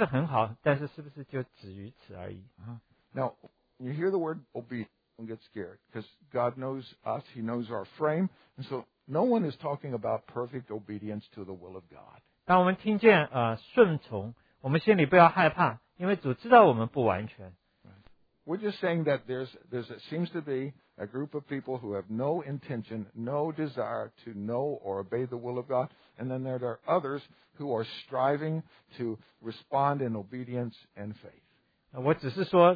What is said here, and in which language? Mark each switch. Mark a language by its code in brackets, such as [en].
[zh] 我有很多的经历，我在台湾侍奉了12年，我听见很多的祷告说主啊主啊，但是这是很好，但是是不是就止于此而已？ [en] Now you hear the word obedience, don't get scared, because God knows us, He knows our frame, and so no one is talking about perfect obedience to the will of God. [zh] 当我们听见顺从，我们心里不要害怕，因为主知道我们不完全。 [en] We're just saying that there seems to be a group of people who have no intention, no desire to know or obey the will of God, and then there are others who are striving to respond in obedience and faith.